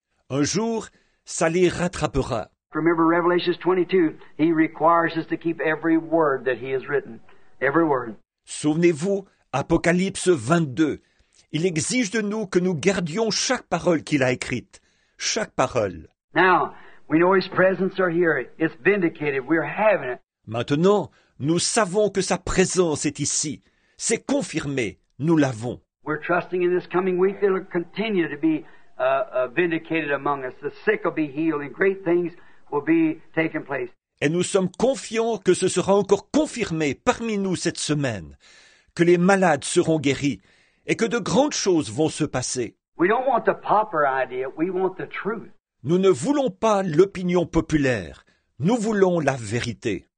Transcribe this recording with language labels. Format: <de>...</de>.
<fr>Un jour, ça les rattrapera.</fr> <en>Remember Revelation 22, he requires us to keep every word that he has written. Every word.</en> <fr>Souvenez-vous, Apocalypse 22, il exige de nous que nous gardions chaque parole qu'il a écrite. Chaque parole.</fr> <en>Now, we know his presence are here. It's vindicated. We're having it.</en> <fr>Maintenant, nous savons que sa présence est ici. C'est confirmé. Nous l'avons.</fr> <en>We're trusting in this coming week it'll continue to be vindicated among us. The sick will be healed and great things will be taking place.</en> <fr>Et nous sommes confiants que ce sera encore confirmé parmi nous cette semaine. Que les malades seront guéris et que de grandes choses vont se passer.</fr> <en>We don't want the proper idea, we want the truth.</en> <fr>Nous ne voulons pas l'opinion populaire, nous voulons la vérité.</fr>